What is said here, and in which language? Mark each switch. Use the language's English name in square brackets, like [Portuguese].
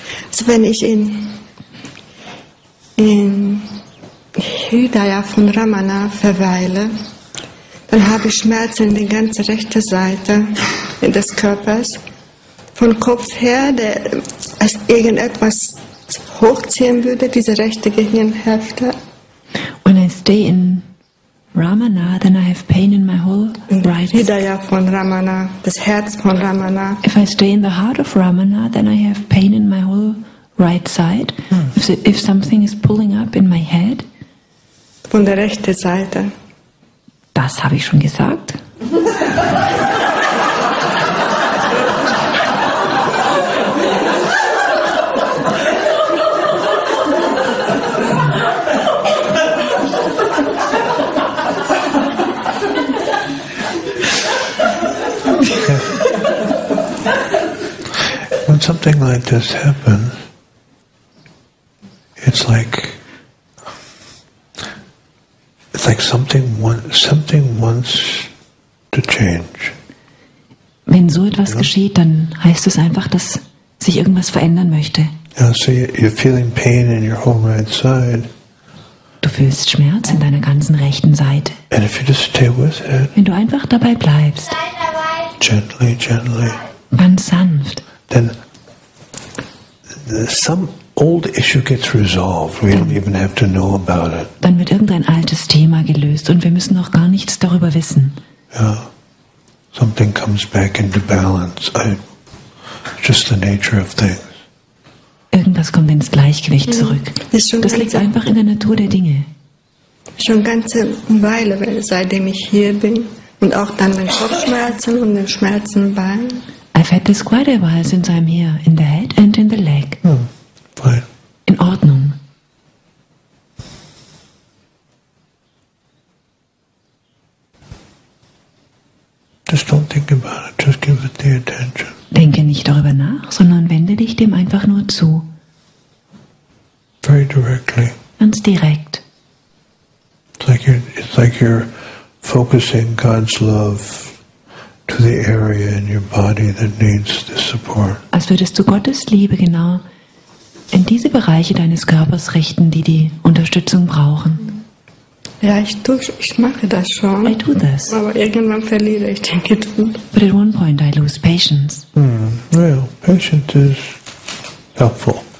[German] So wenn ich in Hridaya von Ramana verweile, dann habe ich Schmerzen in der ganzen rechten Seite des Körpers. Von Kopf her, als irgendetwas hochziehen würde, diese rechte Gehirnhälfte. [English] When I stay in Ramana, then I have pain in my whole right. [German] Hridaya von Ramana, das Herz von Ramana. [English] If I stay in the heart of Ramana, then I have pain in my whole right side. If something is pulling up in my head. [German] Von der rechten Seite. Das habe ich schon gesagt. [English] When something like this happens, it's like something wants to change. [German] Wenn so etwas geschieht, dann heißt es einfach, dass sich irgendwas verändern möchte. [English] So you're feeling pain in your whole right side. [German] Du fühlst Schmerz in deiner ganzen rechten Seite. [English] And if you just stay with it, [German] wenn du einfach dabei bleibst, [English] gently, [German] ganz sanft, [English] then some old issue gets resolved. We don't even have to know about it. [German] Dann wird irgendein altes Thema gelöst und wir müssen noch gar nichts darüber wissen. [English] Yeah. Something comes back into balance. Just the nature of things. [German] Irgendwas kommt ins Gleichgewicht zurück. Das liegt einfach in der Natur der Dinge. Schon ganze Weile, seitdem ich hier bin, und auch dann mit Kopfschmerzen und den Schmerzen im Bein. [English] I've had this quite a while since I'm here, in the head and in the leg. Fine. [German] In Ordnung. [English] Just don't think about it, just give it the attention. [German] Denke nicht darüber nach, sondern wende dich dem einfach nur zu. [English] Very directly. [German] Ganz direkt. [English] It's like you're focusing God's love to the area in your body that needs the support. [German] Als würdest du Gottes Liebe genau in diese Bereiche deines Körpers richten, die die Unterstützung brauchen. Ja, ich mache das schon. [English] I do this. [German] Aber irgendwann verliere ich den Geduld. [English] But at one point I lose patience. Well, patience is helpful.